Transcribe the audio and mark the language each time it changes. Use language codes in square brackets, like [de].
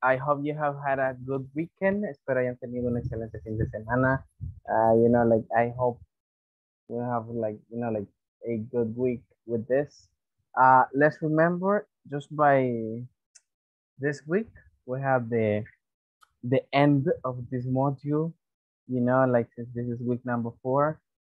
[en] I hope you have had a good weekend. [es] Espero hayan tenido un excelente fin de semana. [en] You know, like, I hope we have, like, you know, like, a good week with this. Let's remember, just by this week, we have the end of this module, you know, like, since this is week number 4.